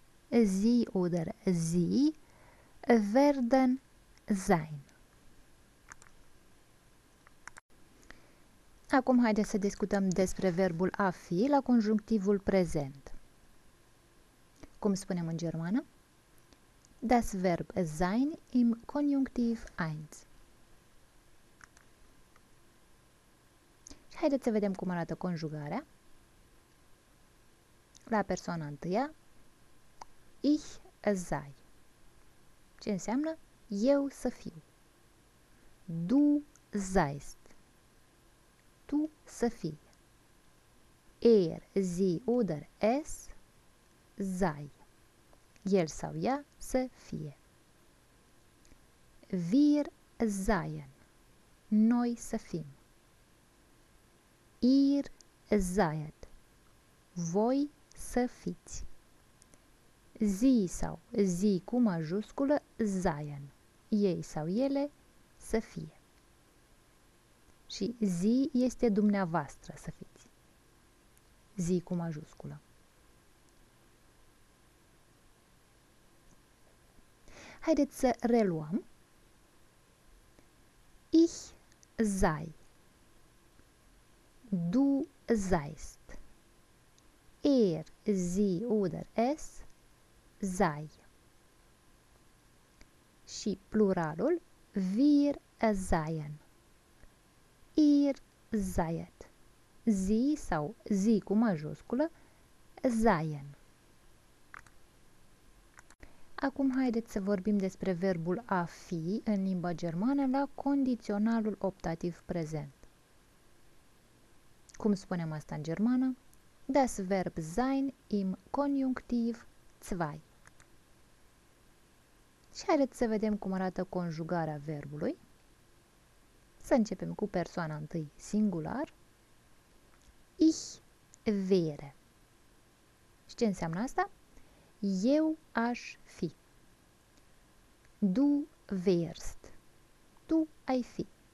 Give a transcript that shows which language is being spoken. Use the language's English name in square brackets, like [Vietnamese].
[German] Sie oder sie werden sein. [Romanian] Acum haideți să discutăm despre verbul a fi la conjunctivul prezent. Cum spunem în germană? [German] Das Verb sein im Konjunktiv 1. [Romanian] Și haideți să vedem cum arată conjugarea. La persoana întâia, [German] ich sei. [Romanian] Ce înseamnă? Eu să fiu. [German] Du seist. [Romanian] Tu să fii. [German] Er, sie oder es sei. [Romanian] El sau ea să fie. [German] Wir seien. [Romanian] Noi să fim. [German] Ihr seid. [Romanian] Voi să fiți. Sie sau sie cu majusculă seien. Ei sau ele să fie. Și zi este dumneavoastră să fiți. Zi cu majusculă. Haideți să reluăm. [German] Ich sei. Du seist. Er, sie oder es sei. [Romanian] Și pluralul [German] wir seien. Ihr seid. [Romanian] Sie sau sie cu majusculă seien. Acum haideți să vorbim despre verbul a fi în limba germană la condiționalul optativ prezent. Cum spunem asta în germană? [German] Das Verb sein im Konjunktiv 2. [Romanian] Și haideți să vedem cum arată conjugarea verbului. Să începem cu persoana întâi singular. [German] Ich wäre. [Romanian] Și ce înseamnă asta? Eu aș fi. [German] Du wärst. [Romanian] Tu ai fi.